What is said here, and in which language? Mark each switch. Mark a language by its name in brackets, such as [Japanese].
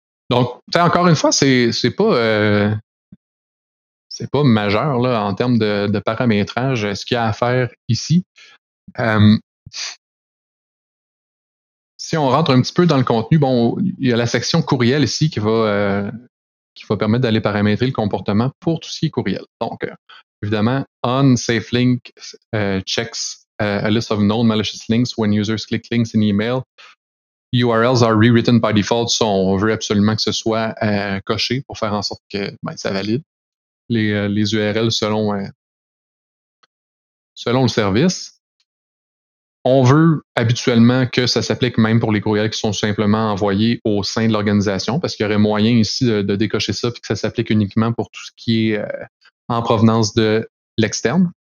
[French] Donc, encore une fois, c'est pas majeur là, en termes de paramétrage, ce qu'il y a à faire ici. Si on rentre un petit peu dans le contenu, bon, il y a la section courriel ici qui va permettre d'aller paramétrer le comportement pour tout ce qui est courriel. Donc, évidemment, on SafeLink checks. [English] A list of known malicious links when users click links in email. URLs are rewritten by default. [French] So on veut absolument que ce soit coché pour faire en sorte que ça valide les URLs selon le service. On veut habituellement que ça s'applique même pour les courriels qui sont simplement envoyés au sein de l'organisation parce qu'il y aurait moyen ici de décocher ça puis que ça s'applique uniquement pour tout ce qui est en provenance de l'externe.